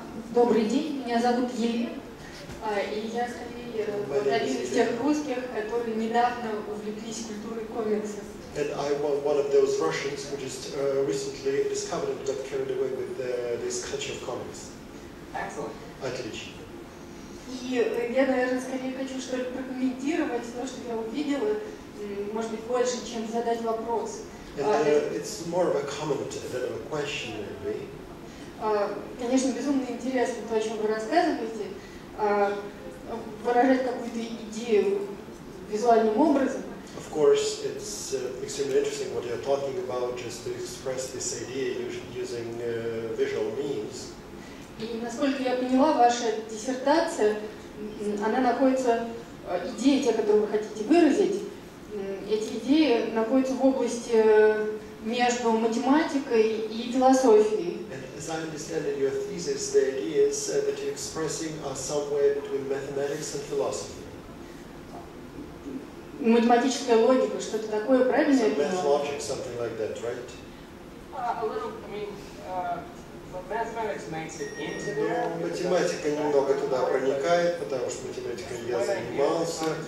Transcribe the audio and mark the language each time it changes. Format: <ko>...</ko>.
<ru>Добрый день, меня зовут Елена, и я скорее вот один из тех русских, которые недавно увлеклись культурой комиксов.</ru> <en>And I was one of those Russians who just recently discovered and got carried away with this culture of comics. Excellent. It's more of a comment than a question, maybe.</en> <ru>Конечно, безумно интересно то, о чем вы рассказываете, выражать какую-то идею визуальным образом.</ru> <en>Of course, it's extremely interesting what you're talking about, just to express this idea using visual means.</en> <ru>И насколько я поняла, ваша диссертация, она находится, идеи, те, которые вы хотите выразить, эти идеи находятся в области между математикой и философией.</ru> <en>As I understand in your thesis, the ideas that you're expressing are somewhere between mathematics and philosophy.</en> <ru>Математическая логика, что-то такое, правильно?</ru> <en>Some math logic, something like that, right?</en> <ru>Математика немного туда проникает, потому что математикой я занимался.</ru>